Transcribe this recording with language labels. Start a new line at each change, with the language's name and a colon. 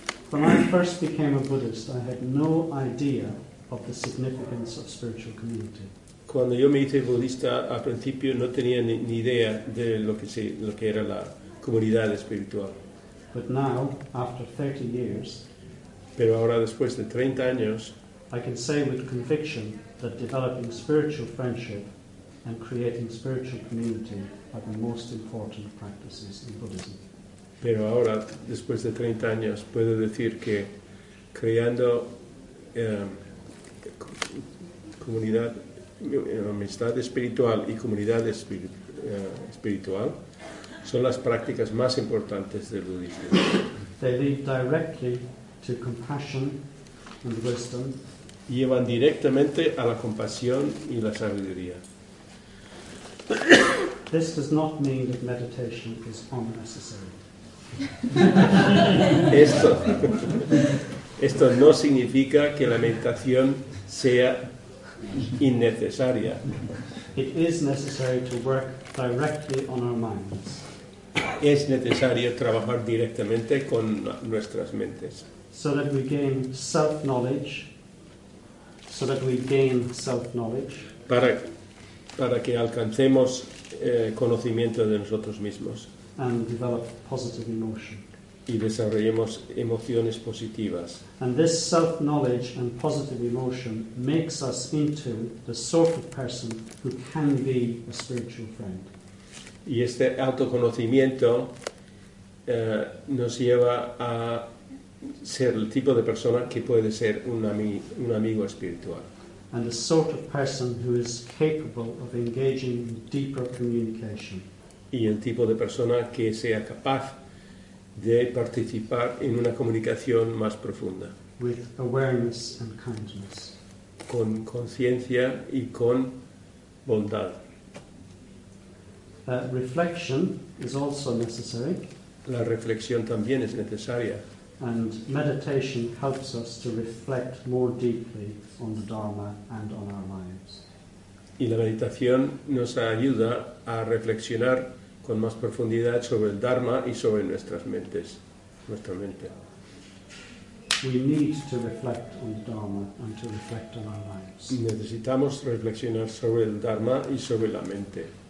English: When I first became a Buddhist, I had no idea of the significance of spiritual community.
Spanish: Cuando yo me hice budista, al principio no tenía ni idea de lo que era la comunidad espiritual.
English: But now, after 30 years,
Spanish: pero ahora después de 30 años,
English: I can say with conviction that developing spiritual friendship and creating spiritual community are the most important practices in Buddhism.
Spanish: Pero ahora, después de 30 años, puedo decir que creando comunidad, amistad espiritual y comunidad espiritual son las prácticas más importantes del budismo.
English: They lead directly to compassion and wisdom.
Spanish: Llevan directamente a la compasión y la sabiduría.
English: This does not mean that meditation is unnecessary.
Spanish: Esto no significa que la meditación sea innecesaria.
English: It is necessary to work directly on our minds.
Spanish: Es necesario trabajar directamente con nuestras mentes.
English: So that we gain self-knowledge. So that we gain self-knowledge.
Spanish: Para que alcancemos conocimiento de nosotros mismos.
English: And develop positive emotion.
Spanish: Y desarrollemos emociones positivas.
English: And this self-knowledge and positive emotion makes us into the sort of person who can be a spiritual friend.
Spanish: Y este autoconocimiento nos lleva a ser el tipo de persona que puede ser un amigo espiritual.
English: And the sort of person who is capable of engaging in deeper communication.
Spanish: Y el tipo de persona que sea capaz de participar en una comunicación más profunda.
English: With awareness and kindness.
Spanish: Con conciencia y con bondad.
English: Reflection is also necessary.
Spanish: La reflexión también es necesaria.
English: And meditation helps us to reflect more deeply on the Dharma and on our lives.
Spanish: Y la meditación nos ayuda a reflexionar con más profundidad sobre el Dharma y sobre nuestras mentes, nuestra mente.
English: We need to reflect on the Dharma and to reflect on our lives.
Spanish: Necesitamos reflexionar sobre el Dharma y sobre la mente.